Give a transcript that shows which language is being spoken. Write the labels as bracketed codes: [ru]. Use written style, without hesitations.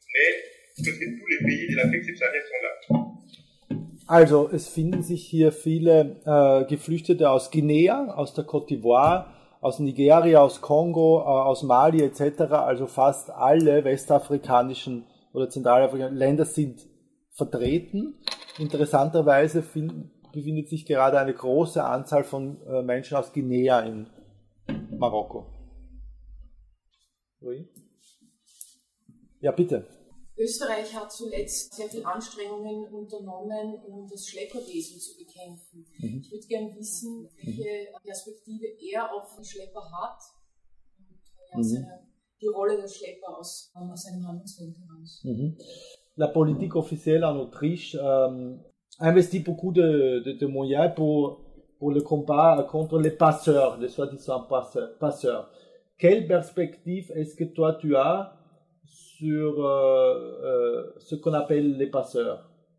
[fr] Mais parce que tous les pays de l'Afrique subsaharienne sont là. [de] Also, es finden sich hier viele Geflüchtete aus Guinea, aus der Côte d'Ivoire, aus Nigeria, aus Kongo, aus Mali etc. Also fast alle westafrikanischen oder zentralafrikanischen Länder sind vertreten. Interessanterweise befindet sich gerade eine große Anzahl von Menschen aus Guinea in Marokko. [fr] Oui. [de] Ja, bitte. Österreich hat zuletzt sehr viele Anstrengungen unternommen, um das Schlepperwesen zu bekämpfen. Mhm. Ich würde gerne wissen, welche Perspektive er auf die Schlepper hat und die Rolle der Schlepper aus seinem Handlungsfeld heraus. [fr] La politique officielle en Autriche investit beaucoup de moyens pour le combat contre les passeurs, les soi-disant passeurs. Quelle perspective est-ce que toi tu as sur ce qu'on appelle les passeurs?